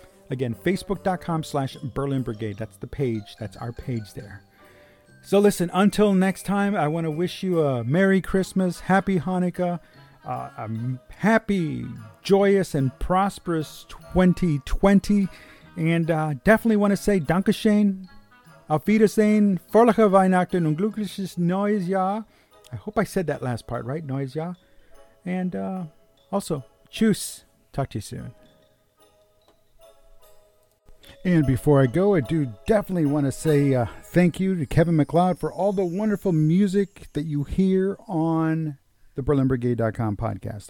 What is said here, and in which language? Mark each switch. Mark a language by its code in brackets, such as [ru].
[en] Again, Facebook.com/Berlin Brigade. That's the page. That's our page there. So listen, until next time, I want to wish you a Merry Christmas, Happy Hanukkah, a happy, joyous, and prosperous 2020. And definitely want to say [de] Dankeschön, Auf Wiedersehen, Frohe Weihnachten und glückliches Neues Jahr. [en] I hope I said that last part right, Neues Jahr. And also, Tschüss. Talk to you soon. And before I go, I do definitely want to say thank you to Kevin MacLeod for all the wonderful music that you hear on the BerlinBrigade.com podcast.